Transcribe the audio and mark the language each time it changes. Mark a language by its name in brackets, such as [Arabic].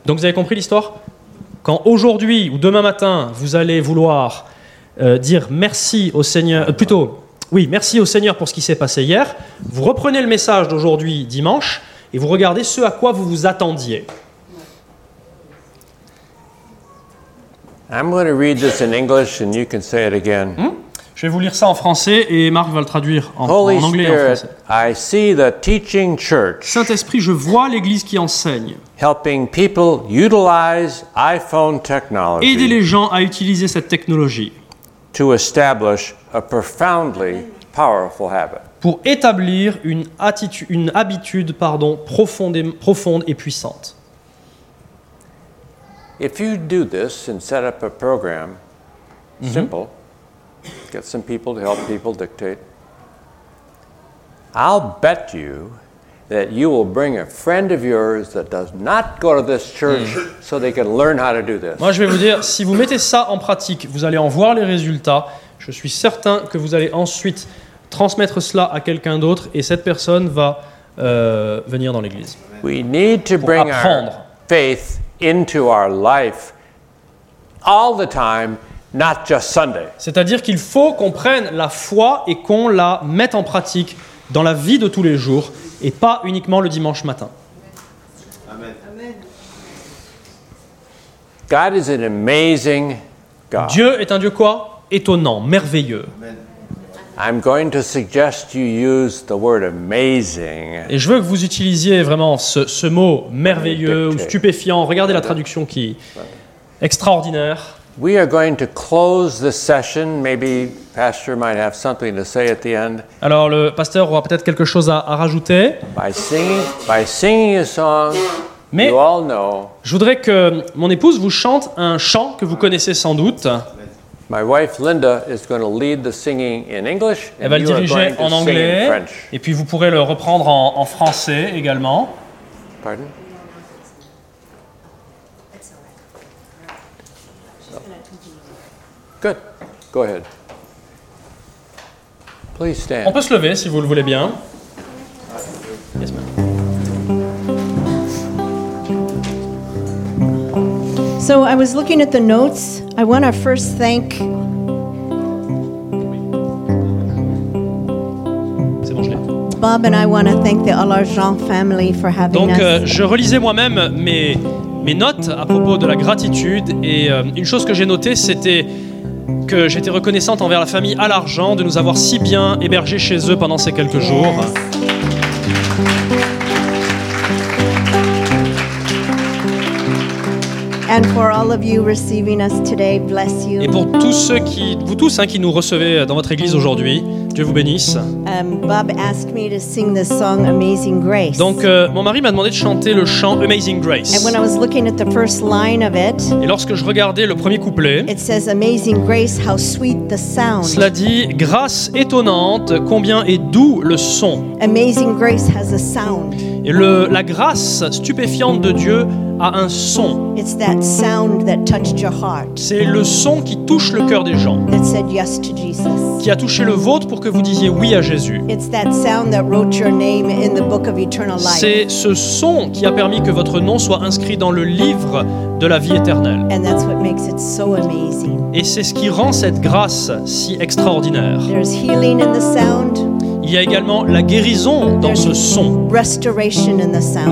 [French] Donc vous avez compris l'histoire? Quand aujourd'hui ou demain matin, vous allez vouloir dire merci au Seigneur, merci au Seigneur pour ce qui s'est passé hier, vous reprenez le message d'aujourd'hui, dimanche, et vous regardez ce à quoi vous vous attendiez. [English] I'm going to read this in English and you can say it again. [French] Je vais vous lire ça en français et Marc va le traduire en anglais [English] Spirit, [French] et en français. [English] I see the teaching church. [French] Saint-Esprit, je vois l'église qui enseigne. [English] Helping people utilize iPhone technology. [French] Aider les gens à utiliser cette technologie. [English] To establish a profoundly powerful habit. [French] Pour établir une habitude profonde et puissante. [English] If you do this and set up a program, simple. Get some people to help people dictate. I'll bet you that you will bring a friend of yours that does not go to this church so they can learn how to do this. [French] Moi, je vais vous dire, si vous mettez ça en pratique, vous allez en voir les résultats. Je suis certain que vous allez ensuite transmettre cela à quelqu'un d'autre et cette personne va venir dans l'église. [English] We need to bring our faith into our life all the time. Not just Sunday. [French] C'est-à-dire qu'il faut qu'on prenne la foi et qu'on la mette en pratique dans la vie de tous les jours et pas uniquement le dimanche matin. [English] Amen. Amen. God is an amazing God. [French] Dieu est un Dieu quoi? Étonnant, merveilleux. [English] Amen. I'm going to suggest you use the word amazing. [French] Et je veux que vous utilisiez vraiment ce mot merveilleux ou stupéfiant. Regardez la traduction qui est extraordinaire. [English] We are going to close the session. Maybe pastor might have something to say at the end. [French] Alors le pasteur aura peut-être quelque chose à rajouter. [English] By singing a song. [French] Mais [English] you all know. [French] Je voudrais que mon épouse vous chante un chant que vous connaissez sans doute. [English] My wife Linda is going to lead the singing in English. [French] Elle va le diriger en anglais. Et puis vous pourrez le reprendre en français également. Pardon? [English] Good. Go ahead. Please stand. [French] On peut se lever si vous le voulez bien. [English] Yes, ma'am. So I was looking at the notes. I want to first thank. [French] C'est bon, je l'ai. [English] Bob and I want to thank the Alargent family for having [French] Donc, [English] us. [French] Donc je relisais moi-même mes notes à propos de la gratitude et une chose que j'ai notée c'était que j'étais reconnaissante envers la famille Alargent de nous avoir si bien hébergés chez eux pendant ces quelques jours. [English] And for all of you receiving us today, bless you. [French] Et pour tous ceux qui, vous tous hein, qui nous recevez dans votre église aujourd'hui, Dieu vous bénisse. [English] Bob asked me to sing the song Amazing Grace. [French] Donc mon mari m'a demandé de chanter le chant Amazing Grace. [English] And when I was looking at the first line of it, [French] et lorsque je regardais le premier couplet, [English] it says Amazing Grace, how sweet the sound. [French] Cela dit grâce étonnante, combien est doux le son. [English] Amazing Grace has a sound. [French] Et la grâce stupéfiante de Dieu a un son. [English] It's that sound that touched your heart. [French] C'est le son qui touche le cœur des gens. [English] That said yes to Jesus. [French] Qui a touché le vôtre pour que vous disiez oui à Jésus. [English] It's that sound that wrote your name in the book of eternal life. [French] C'est ce son qui a permis que votre nom soit inscrit dans le livre de la vie éternelle. [English] And that's what makes it so amazing. [French] Et c'est ce qui rend cette grâce si extraordinaire. [English] There's healing in the sound. [French] Il y a également la guérison dans ce son. [English] Restoration in the sound.